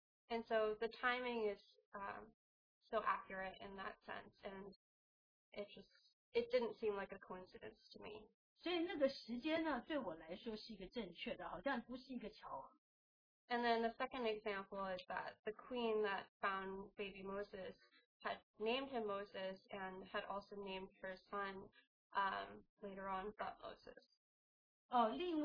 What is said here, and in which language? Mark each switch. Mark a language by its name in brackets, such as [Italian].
[English] And so the timing is so accurate in that sense, and it didn't seem like a coincidence to me. [Chinese] 所以那个时间呢，对我来说是一个正确的，好像不是一个巧合。 [English] And then the second example is that the queen that found baby Moses had named him Moses and had also named her son later on Thutmosis.